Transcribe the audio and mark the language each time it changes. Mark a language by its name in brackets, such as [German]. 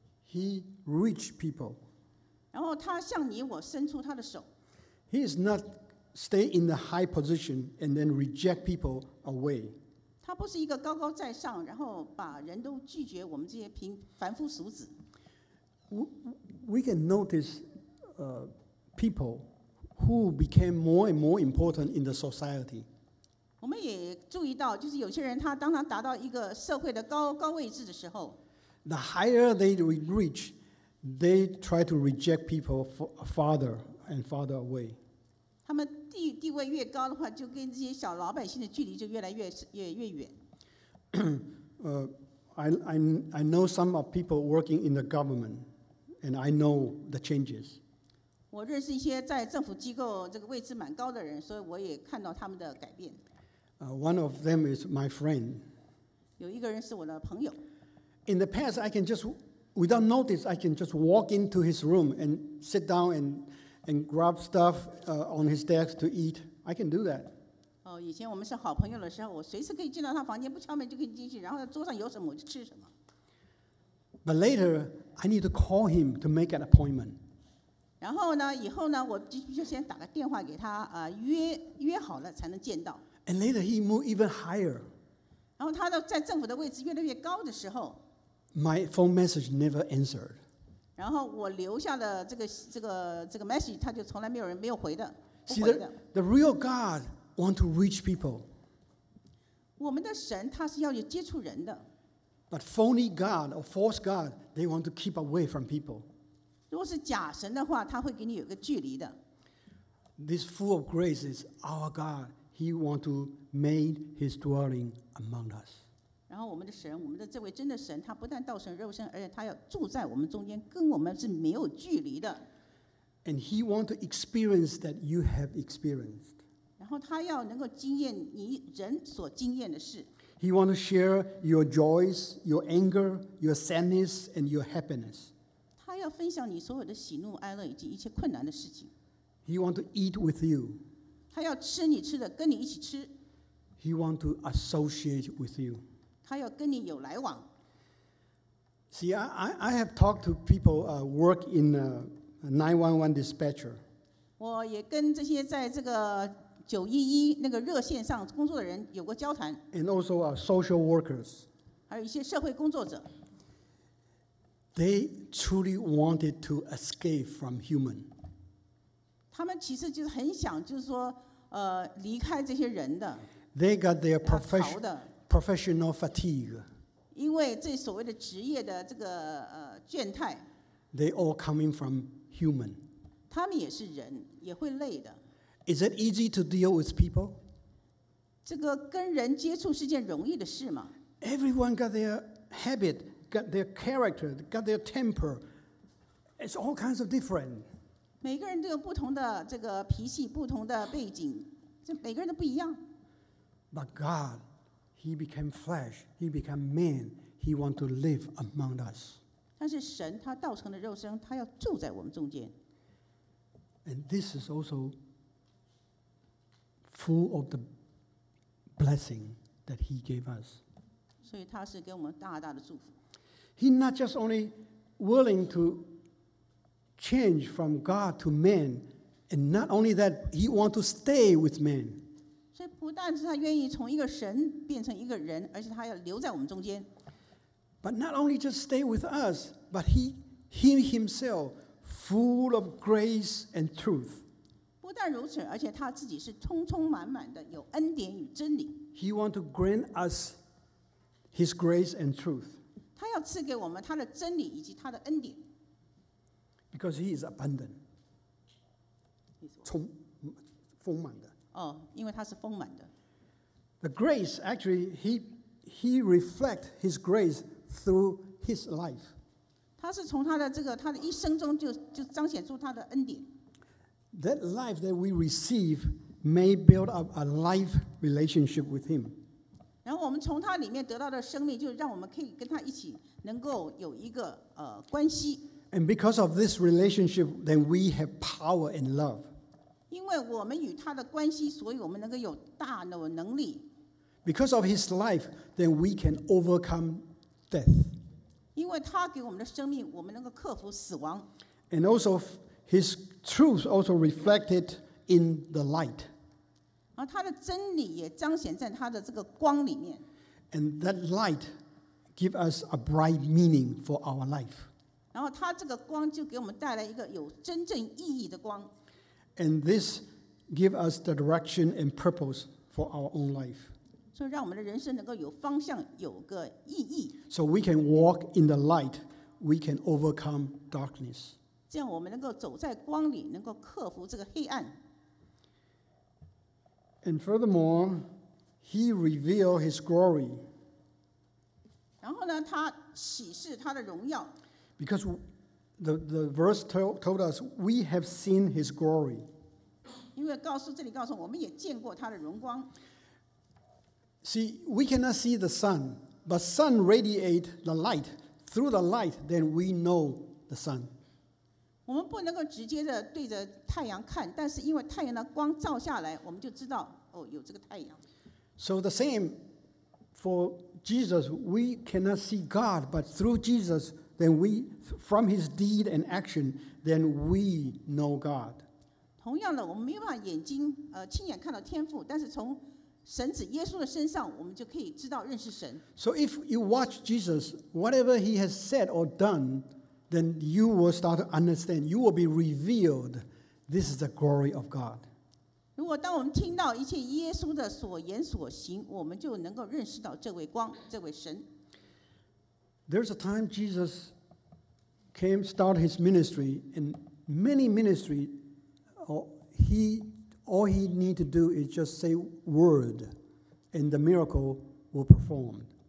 [English] He reached people. [Chinese] 然后他向你我伸出他的手。 [English] He is not stay in the high position and then reject people away. [Chinese] 他不是一个高高在上，然后把人都拒绝，我们这些平凡夫俗子。 [English] We can notice people who became more and more important in the society. [Chinese] 我们也注意到，就是有些人他当他达到一个社会的高高位置的时候， [English] the higher they reach, they try to reject people farther and farther away. [Chinese] 他们 地位越高的话，就跟这些小老百姓的距离就越来 越远。 [English] I know some of people working in the government, and I know the changes. [Chinese] 我认识一些在政府机构这个位置蛮高的人，所以我也看到他们的改变。 [English] One of them is my friend. [Chinese] 有一个人是我的朋友。 [English] In the past, I can just, without notice, I can just walk into his room and sit down and grab stuff on his desk to eat. I can do that. [Chinese] 哦，以前我们是好朋友的时候，我随时可以进到他房间，不敲门就可以进去，然后桌上有什么我就吃什么。 [English] But later, I need to call him to make an appointment. [Chinese] 然后呢，以后呢，我就先打个电话给他，约好了才能见到。 [English] And later, he moved even higher. [Chinese] 然后他的在政府的位置越来越高的时候， [English] my phone message never answered. [Chinese] 然后我留下的这个 message， 他就从来没有人没有回的。 [English] See, the real God want to reach people. [Chinese] 我们的神他是要有接触人的。 [English] But phony God or false God, they want to keep away from people. [Chinese] 如果是假神的话，他会给你有个距离的。 [English] This full of grace is our God. He want to make His dwelling among us. [Chinese] 然后我们的神，我们的这位真的神，他不但道成肉身，而且他要住在我们中间，跟我们是没有距离的。 [English] And he want to experience that you have experienced. [Chinese] 然后他要能够经验你人所经验的事。 [English] He want to share your joys, your anger, your sadness, and your happiness. [Chinese] 他要分享你所有的喜怒哀乐以及一切困难的事情。 [English] He want to eat with you. [Chinese] 他要吃你吃的，跟你一起吃。 [English] He want to associate with you. [Chinese] 他要跟你有来往。 [English] See, I have talked to people work in a 911 dispatcher. [Chinese] 我也跟这些在这个911那个热线上工作的人有过交谈。 [English] And also our social workers. [Chinese] 还有一些社会工作者。 [English] They truly wanted to escape from human. [Chinese] 他们其实就是很想，就是说，离开这些人的。 [English] They got their professional fatigue. [Chinese] 因为这所谓的职业的这个倦怠。 [English] They all coming from human. [Chinese] 他们也是人，也会累的。 [English] Is it easy to deal with people? [Chinese] 这个跟人接触是件容易的事吗？ [English] Everyone got their habit, got their character, got their temper. It's all kinds of different. [Chinese] 每个人都有不同的这个脾气，不同的背景，这每个人都不一样。 [English] But God. He became flesh. He became man. He want to live among us. [Chinese] 但是神他道成的肉身，他要住在我们中间。 [English] And this is also full of the blessing that he gave us. [Chinese] 所以他是给我们大大的祝福。 [English] He not just only willing to change from God to man, and not only that, he want to stay with man. [Chinese] 所以不但是他愿意从一个神变成一个人，而且他要留在我们中间。 [English] But not only just stay with us, but he himself full of grace and truth. [Chinese] 不但如此，而且他自己是充充满满的有恩典与真理。 [English] He want to grant us his grace and truth. [Chinese] 他要赐给我们他的真理以及他的恩典。 [English] Because he is abundant. [Chinese] 充丰满的。哦，因为他是丰满的。 [English] The grace, actually, he reflects his grace through his life. [Chinese] 他是从他的这个他的一生中就彰显出他的恩典。 [English] That life that we receive may build up a life relationship with him. [Chinese] 然后我们从他里面得到的生命，就让我们可以跟他一起能够有一个关系。 [English] And because of this relationship, then we have power and love. [Chinese] 因为我们与他的关系，所以我们能够有大的能力。 [English] Because of his life, then we can overcome death. [Chinese] 因为他给我们的生命，我们能够克服死亡。 [English] And also his truth also reflected in the light. [Chinese] 而他的真理也彰显在他的这个光里面。 [English] And that light gives us a bright meaning for our life. [Chinese] 然后他这个光就给我们带来一个有真正意义的光。 [English] And this gives us the direction and purpose for our own life. [Chinese] 所以让我们的人生能够有方向，有个意义。 [English] So we can walk in the light, we can overcome darkness. [Chinese] 这样我们能够走在光里，能够克服这个黑暗。 [English] And furthermore, he revealed his glory. [Chinese] 然后呢，他启示他的荣耀。 [English] Because the verse told us we have seen his glory. [Chinese] 因为告诉这里告诉我们也见过他的荣光。 [English] See, we cannot see the sun, but sun radiate the light. Through the light, then we know the sun. [Chinese] 我们不能够直接的对着太阳看，但是因为太阳的光照下来，我们就知道哦有这个太阳。 [English] So the same for Jesus, we cannot see God, but through Jesus. Then we, from his deed and action, then we know God. [Chinese] 同样的，我们没有办法眼睛亲眼看到天父，但是从神子耶稣的身上，我们就可以知道认识神。 [English] So if you watch Jesus, whatever he has said or done, then you will start to understand. You will be revealed. This is the glory of God. [Chinese] 如果当我们听到一切耶稣的所言所行，我们就能够认识到这位光，这位神。 [English] There's a time Jesus came, start his ministry, and many ministry, all he need to do is just say word, and the miracle will perform.